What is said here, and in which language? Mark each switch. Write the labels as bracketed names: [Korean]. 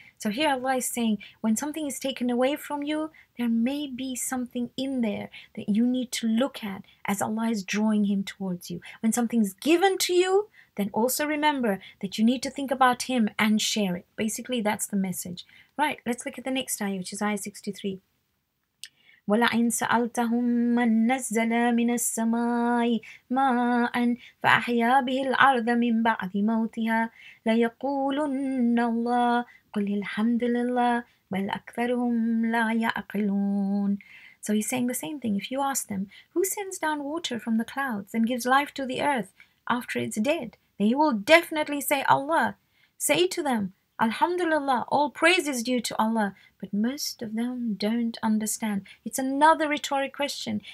[English] So here Allah is saying, when something is taken away from you, there may be something in there that you need to look at as Allah is drawing Him towards you. When something's given to you, then also remember that you need to think about Him and share it. Basically, that's the message. Right, let's look at the next ayah, which is ayah 63. [Arabic] ولئن سألتهم من نزل من السماء ماء فأحيا به الأرض من بعد موتها ليقولن الله قل الحمد لله بل أكثرهم لا يعقلون. [English] So he's saying the same thing. If you ask them, who sends down water from the clouds and gives life to the earth after it's dead? They will definitely say Allah. Say to them, Alhamdulillah, all praise is due to Allah. But most of them don't understand. It's another rhetoric question.